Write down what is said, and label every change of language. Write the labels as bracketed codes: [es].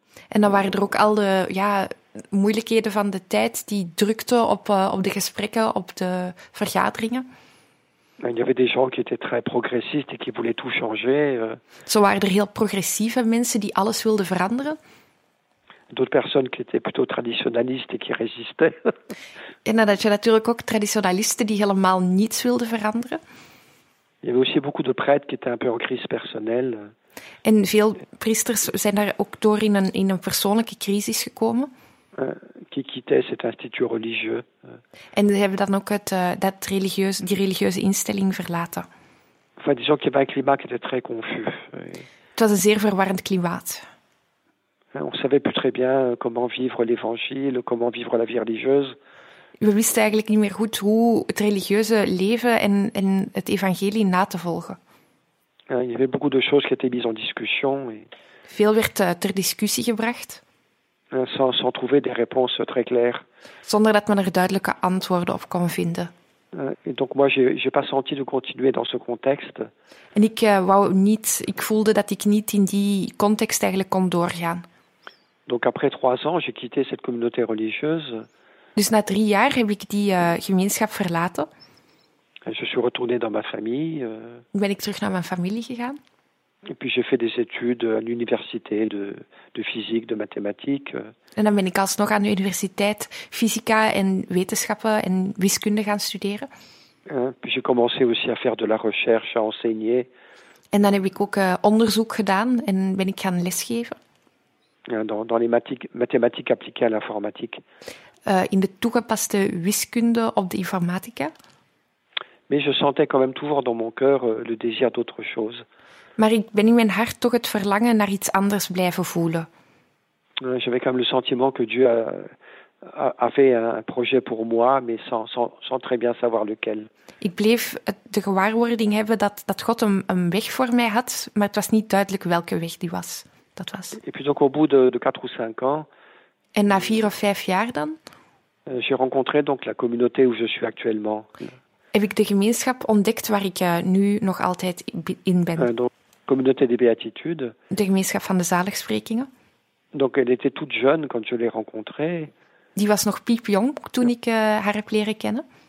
[nl] En dan waren er ook al de moeilijkheden van de tijd die drukten op de gesprekken, op de vergaderingen. [fr] Il y avait des gens qui étaient très progressistes et qui voulaient tout changer. [nl] Zo waren er heel progressieve mensen die alles wilden veranderen. [fr] D'autres personnes qui étaient plutôt traditionalistes et qui résistaient. [nl] En dan had je natuurlijk ook traditionalisten die helemaal niets wilden veranderen. [fr] Il y avait aussi beaucoup de prêtres qui étaient un peu en crise personnelle. [nl] En veel priesters zijn daar ook door in een persoonlijke crisis gekomen. [fr] Qui quittaient cet institut religieux. [nl] En ze hebben dan ook die religieuze instelling verlaten. [fr] Enfin, disons qu'il y avait un climat qui était très confus. [nl] Het was een zeer verwarrend klimaat. [fr] On ne savait plus très bien comment vivre l'évangile, comment vivre la vie religieuse. [nl] We wisten eigenlijk niet meer goed hoe het religieuze leven en het evangelie na te volgen. [fr] Il y avait beaucoup de choses qui étaient mises en discussion. [nl] Veel werd ter discussie gebracht. [fr] Sans trouver des réponses très claires. [nl] Zonder dat men er duidelijke antwoorden op kon vinden. [fr] Et donc moi, j'ai pas senti de continuer dans ce contexte. [nl] En ik wou niet, ik voelde dat ik niet in die context eigenlijk kon doorgaan. [fr] Donc après 3 ans, j'ai quitté cette communauté religieuse. [nl] Dus na 3 jaar heb ik die gemeenschap verlaten. [fr] Et je suis retourné dans ma famille. [nl] Ben ik terug naar mijn familie gegaan. [fr] Et puis j'ai fait des études à l'université de physique, de mathématiques. [nl] En dan ben ik alsnog aan de universiteit fysica en wetenschappen en wiskunde gaan studeren. [fr] Puis j'ai commencé aussi à faire de la recherche, à enseigner. [nl] En dan heb ik ook onderzoek gedaan en ben ik gaan lesgeven. [fr] Dans les mathématiques appliquées à l'informatique. [nl] In de toegepaste wiskunde op de informatica. [fr] Mais je sentais quand même toujours dans mon cœur le désir d'autre chose. [nl] Maar ik ben in mijn hart toch het verlangen naar iets anders blijven voelen. [fr] J'avais quand même le sentiment que Dieu avait un projet pour moi, mais sans très bien savoir lequel. [nl] Ik bleef de gewaarwording hebben dat God een weg voor mij had, maar het was niet duidelijk welke weg die was. Dat was. [fr] Et puis donc au bout de 4 ou 5 ans. [nl] En na 4 of 5 jaar dan? [fr] J'ai rencontré donc la communauté où je suis actuellement. [nl] Heb ik de gemeenschap ontdekt waar ik nu nog altijd in ben? [fr] Donc, communauté des Béatitudes. [nl] De gemeenschap van de zaligsprekingen. [fr] Donc, elle était toute jeune quand je l'ai rencontrée. [nl] Die was nog piepjong toen ik haar heb leren kennen.